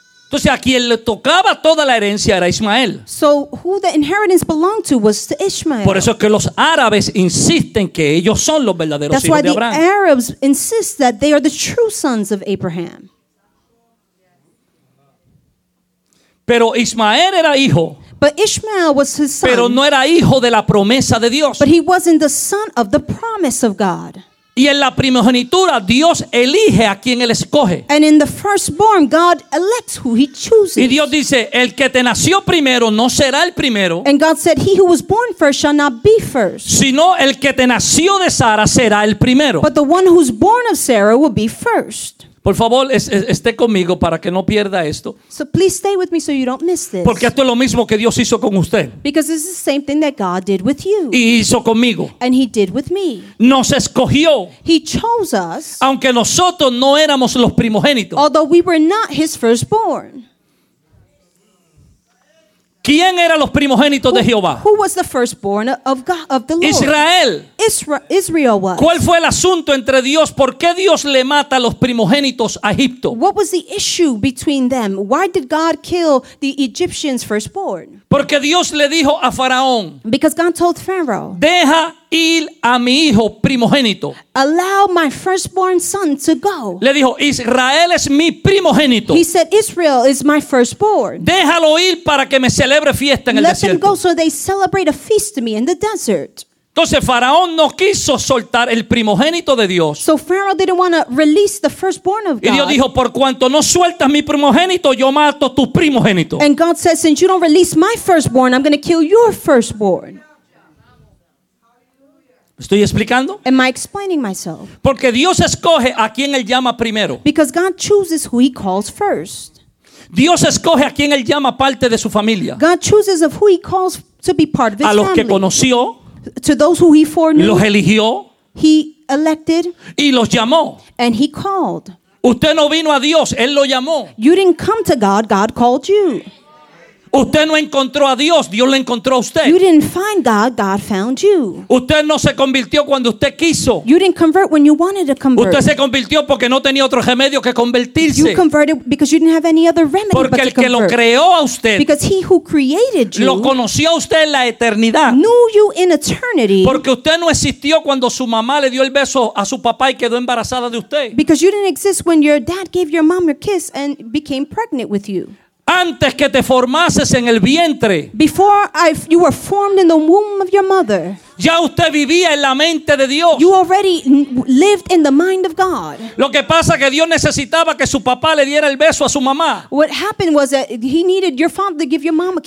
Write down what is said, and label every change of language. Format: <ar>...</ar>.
<es>Entonces, a quien le tocaba toda la herencia era Ismael.</es> <en>So who the inheritance belonged to was to Ishmael.</en> <es>Por eso es que los árabes insisten que ellos son los verdaderos</es> <en>That's</en> <es>hijos</es> <en>why</en> <es>de Abraham.</es> <en>The Arabs insist that they are the true sons of Abraham.</en> <es>Pero Ismael era hijo.</es> <en>But Ishmael was his son.</en> <es>Pero no era hijo de la promesa de Dios.</es> <en>But he wasn't the son of the promise of God.</en> <es>Y en la primogenitura Dios elige a quien él escoge.</es> <en>And in the firstborn God elects who he chooses.</en> <es>Y Dios dice, el que te nació primero no será el primero.</es> <en>And God said, he who was born first shall not be first.</en> <es>Sino el que te nació de Sara será el primero.</es> <en>But the one who's born of Sarah will be first.</en> <es>Por favor, esté conmigo para que no pierda esto.</es> <en>So please stay with me so you don't miss this.</en> <es>Porque esto es lo mismo que Dios hizo con usted.</es> <en>Because this is the same thing that God did with you.</en> <es>Y hizo conmigo.</es> <en>And he did with me.</en> <es>Nos escogió.</es> <en>He chose us.</en> <es>Aunque nosotros no éramos los primogénitos.</es> <en>Although we were not his firstborn.</en> <es>¿Quién era los primogénitos de Jehová?</es> <en>Who was the firstborn of God, of the Lord?</en> <es>Israel.</es> <en>Israel was.</en> <es>¿Cuál fue el asunto entre Dios? ¿Por qué Dios le mata a los primogénitos a Egipto?</es> <en>What was the issue between them? Why did God kill the Egyptians firstborn?</en> <es>Porque Dios le dijo a Faraón.</es> <en>Because God told Pharaoh.</en> <es>Deja ir a mi hijo primogénito.</es> <en>Allow my firstborn son to go.</en> <es>Le dijo, Israel es mi primogénito.</es> <en>He said, Israel is my firstborn.</en> <es>Déjalo ir para que me celebre fiesta en</es> <en>Let</en> <es>el desierto.</es> <en>Let them go so they celebrate a feast to me in the desert.</en> <es>Entonces Faraón no quiso soltar el primogénito de Dios.</es> <en>So Pharaoh didn't want to release the firstborn of God.</en> <es>Y Dios dijo, por cuanto no sueltas mi primogénito, yo mato tu primogénito.</es> <en>And God says, since you don't release my firstborn, I'm going to kill your firstborn.</en> <es>¿Estoy explicando?</es> <en>Am I explaining myself?</en> <es>Porque Dios escoge a quien él llama primero.</es> <en>Because God chooses who he calls first.</en> <es>Dios escoge a quien él llama parte de su familia.</es> <en>God chooses of who he calls to be part of his</en> <es>family. A los</es> <en>family.</en> <es>Que conoció.</es> <en>To those who he foreknew.</en> <es>Los eligió.</es> <en>He elected.</en> <es>Y los llamó.</es> <en>And he called.</en> <es>Usted no vino a Dios, Él lo llamó.</es> <en>You didn't come to God, God called you.</en> <es>Usted no encontró a Dios, Dios le encontró a usted.</es> <en>You didn't find God, God found you.</en> <es>Usted no se convirtió cuando usted quiso.</es> <en>You didn't convert when you wanted to convert.</en> <es>Usted se convirtió porque no tenía otro remedio que convertirse.</es> <en>You converted because you didn't have any other remedy but to convert.</en> <es>Porque el que lo creó a usted.</es> <en>Because he who created you.</en> <es>Lo conoció a usted en la eternidad.</es> <en>Knew you in eternity.</en> <es>Porque usted no existió cuando su mamá le dio el beso a su papá y quedó embarazada de usted.</es> <en>Because you didn't exist when your dad gave your mom a kiss and became pregnant with you.</en> <es>Antes que te formases en el vientre.</es> <en>Before you were formed in the womb of your mother.</en> <es>Ya usted vivía en la mente de Dios.</es> <en>You already lived in the mind of God.</en> <es>Lo que pasa que Dios necesitaba que su papá le diera el beso a su mamá.</es> <en>What happened was that he needed your father to give your mom a kiss.</en>